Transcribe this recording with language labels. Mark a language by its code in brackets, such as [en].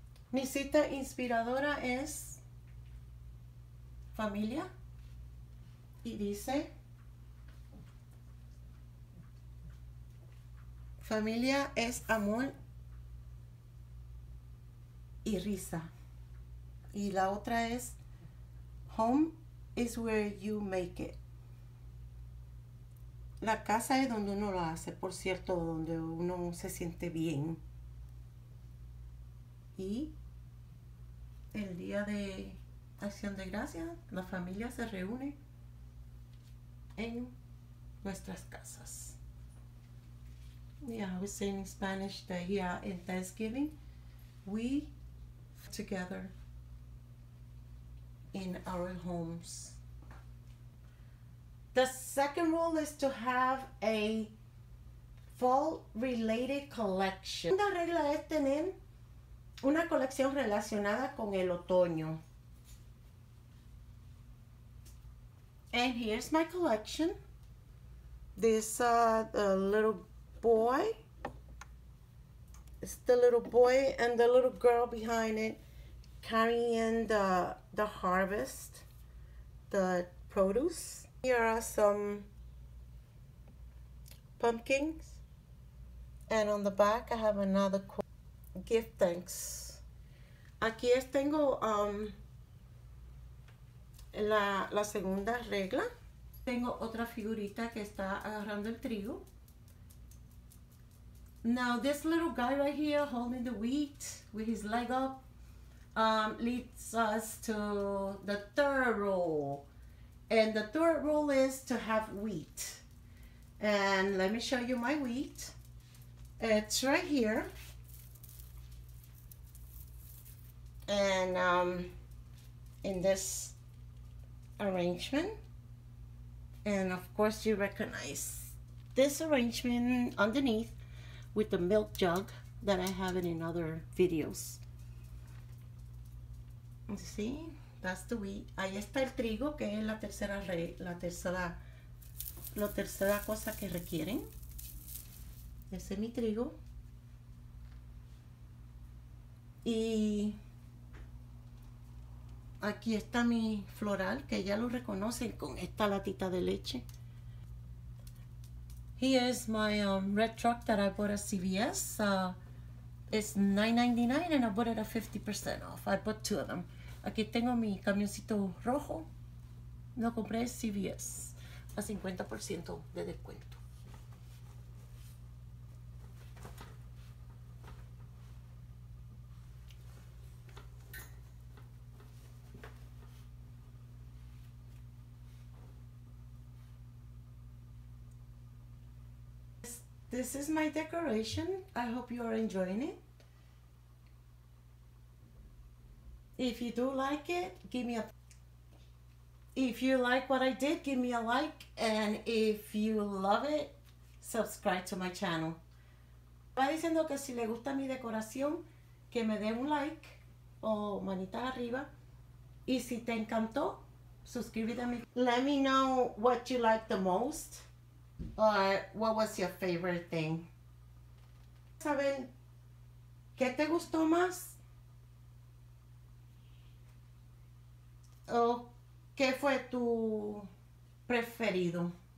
[es] Mi cita inspiradora es familia y dice: familia es amor y risa. Y la otra es: [en] home is where you make it. [es] La casa es donde uno lo hace, por cierto, donde uno se siente bien. Y el día de Acción de Gracias, la familia se reúne en nuestras casas. [en] Yeah, I was saying in Spanish that here in Thanksgiving, we together in our homes. The second rule is to have a fall-related collection. [es] La segunda regla es tener una colección relacionada con el otoño. [en] And here's my collection. This the little boy. It's the little boy and the little girl behind it, carrying the harvest the produce. Here are some pumpkins. And on the back, I have another gift thanks. [es] Aquí tengo la segunda regla. Tengo otra figurita que está agarrando el trigo. [en] Now, this little guy right here holding the wheat with his leg up leads us to the third rule. And the third rule is to have wheat. And let me show you my wheat. It's right here. And in this arrangement. And of course, you recognize this arrangement underneath with the milk jug that I have in other videos. You see, that's the wheat. [es] Ahí está el trigo, que es la tercera re la tercera la tercera cosa que requieren. Ese es mi trigo. Y aquí está mi floral, que ya lo reconocen con esta latita de leche. [en] Here is my red truck that I bought at CVS. It's $9.99 and I bought it at 50% off. I bought two of them. [es] Aquí tengo mi camioncito rojo. Lo compré at CVS a 50% de descuento. [en] This is my decoration. I hope you are enjoying it. If you do like it, give me a. If you like what I did, give me a like. And if you love it, subscribe to my channel. [es] Va diciendo que si le gusta mi decoración, que me dé un like o manita arriba. Y si te encantó, suscríbete a mi. [en] Let me know what you like the most. What was your favorite thing? [es] Saber qué te gustó más o qué fue tu preferido.